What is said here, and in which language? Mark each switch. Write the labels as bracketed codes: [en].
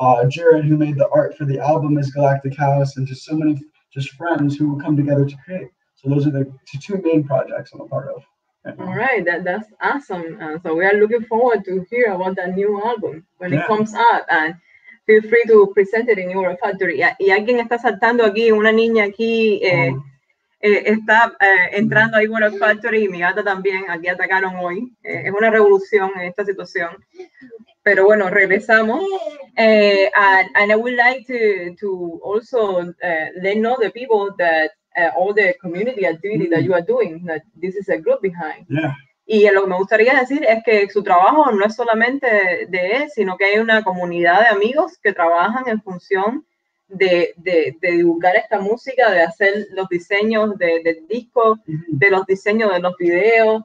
[en] Jared, who made the art for the album, is Galactic House. And just so many just friends who will come together to create. So those are the two main projects I'm a part of. All right, that's awesome. So we are looking forward to hear about that new album when it comes out. And feel free to present it in your factory. [es] Y alguien está saltando aquí, una niña aquí está entrando ahí en el factory. Y mi gata también, aquí atacaron hoy. Es una revolución en esta situación. Pero bueno, regresamos. [en] And I would like to also let know the people that all the community activity that you are doing, that this is a group behind. Yeah. [es] Y lo que me gustaría decir es que su trabajo no es solamente de él, sino que hay una comunidad de amigos que trabajan en función de divulgar esta música, de hacer los diseños del disco, de los diseños de los videos.